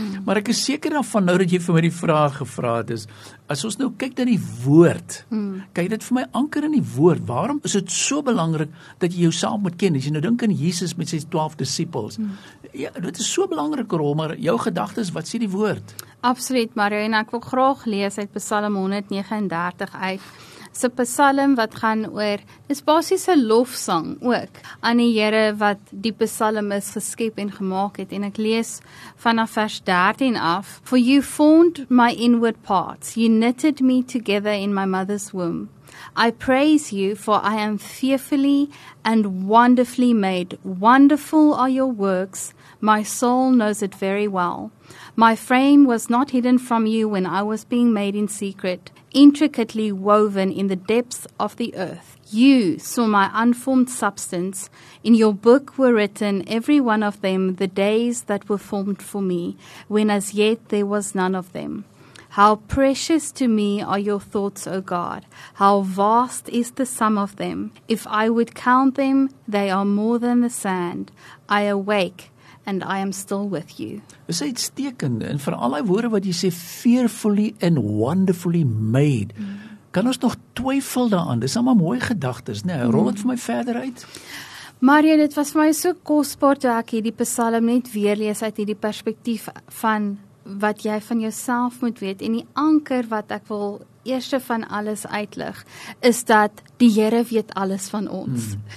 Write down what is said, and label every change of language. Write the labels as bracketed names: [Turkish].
[Afrikaans] Maar ek is seker daarvan, nou dat jy vir my die vraag gevra het, is, as ons nou kyk na die woord, kyk dit vir my anker in die woord, waarom is dit so belangrik dat jy jouself moet ken? As jy nou dink aan Jesus met sy 12 disciples, ja, dit is so belangrik, maar jou gedagtes, wat sê die woord? Absoluut, Mario, en ek wil graag lees uit Psalm 139 uit. So Psalm wat gaan oor, is basies 'n lofsang ook aan die Here wat die Psalm is geskep en gemaak het, en ek lees vanaf vers 13 af. [English] For you formed my inward parts, you knitted me together in my mother's womb. I praise you, for I am fearfully and wonderfully made. Wonderful are your works. My soul knows it very well. My frame was not hidden from you when I was being made in secret, intricately woven in the depths of the earth. You saw my unformed substance. In your book were written, every one of them, the days that were formed for me, when as yet there was none of them. How precious to me are your thoughts, O God. How vast is the sum of them. If I would count them, they are more than the sand. I awake and I am still with you. [Afrikaans] Dis uitstekend, en vir al die woorde wat jy sê, [English] fearfully and wonderfully made. [Afrikaans] Kan ons nog twyfel daaraan? Dis almal mooi gedagtes, né? Nee, rol dit vir my verder uit. Mario, dit was vir my so kosbaar toe ek hierdie Psalm net weer lees uit hierdie perspektief van wat jy van jouself moet weet, en die anker wat ek wil eerste van alles uitlig, is dat die Here weet alles van ons.